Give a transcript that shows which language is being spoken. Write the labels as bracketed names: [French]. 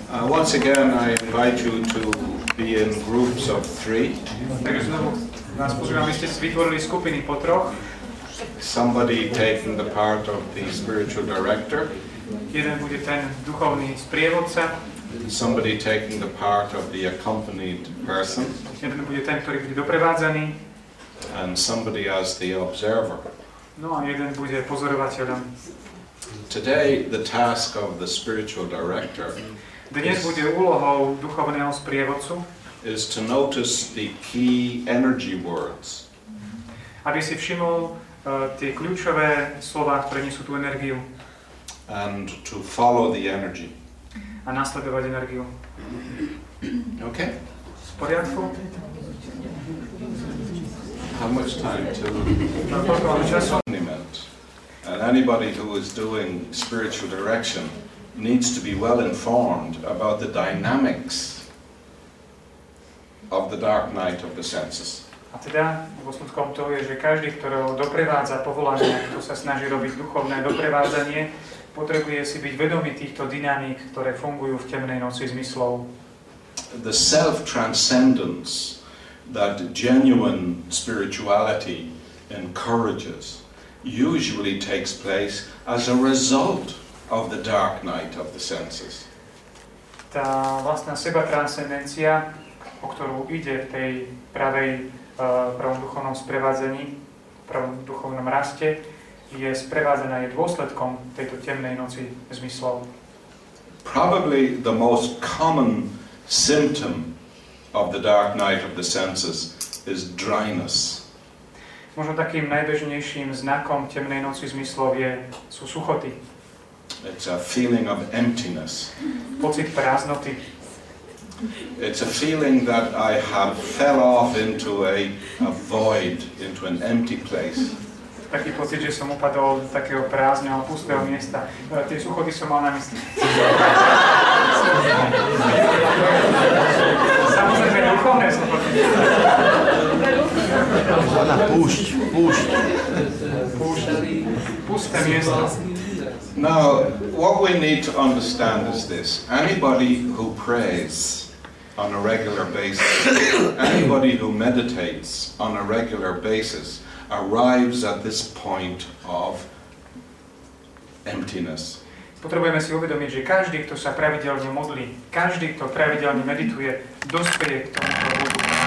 [English] Once again, I invite you to be in groups of three. [Slovak] Takže znovu nás pozývam, aby ste vytvorili skupiny po troch. [English] Somebody taking the part of the spiritual director. [Slovak] Jeden bude ten duchovný sprievodca. [English] Somebody taking the part of the accompanied person. [Slovak] Jeden bude ten, ktorý bude doprevádzaný. [English] And somebody as the observer. [Slovak] No a jeden bude pozorovateľom. [English] Today the task of the spiritual director. [Slovak] Dnes bude úlohou duchovného sprievodcu. [English] Is to notice the key energy words. [Slovak] Aby si všimol tie kľúčové slová, ktoré nesú tú energiu. [English] And to follow the energy. [Slovak] A nasledovať energiu. [English] OK. [Slovak] V poriadku. [English] How much time to... [Slovak] Koľko máme času? [English] And anybody who is doing spiritual direction needs to be well informed about the dynamics of the dark night of the senses. [Slovak] A teda vo skutkom toho je, že každý, ktorého doprevádza povolanie, kto sa snaží robiť duchovné doprevádzanie, potrebuje si byť vedomý týchto dynamík, ktoré fungujú v temnej noci zmyslov. [English] The self-transcendence that genuine spirituality encourages usually takes place as a result of the dark night of the senses. [Slovak] Tá vlastná sebatranscendencia, o ktorú ide v tej pravej pravom duchovnom sprevádzení, pravom duchovnom raste, je sprevádzená je dôsledkom tejto temnej noci zmyslov. [English] Probably the most common symptom of the dark night of the senses is dryness. [Slovak] Možno takým najbežnejším znakom temnej noci zmyslov je sú suchoty. [English] It's a feeling of emptiness. [Slovak] Pocit prázdnoty. [English] It's a feeling that I have fell off into a void, into an empty place. [Slovak] Taký pocit, že som upadol do takého prázdneho, pustého miesta. Tie suchoty som mal na mysli. Samozrejme, duchovné suchoty. Ona púšť, púšť. Púšť, pusté miesto. [English] Now, what we need to understand is this. Anybody who prays on a regular basis, anybody who meditates on a regular basis arrives at this point of emptiness. [Slovak] Potrebujeme si uvedomiť, že každý, kto sa pravidelne modlí, každý, kto pravidelne medituje, dospeje k tomuto bodu.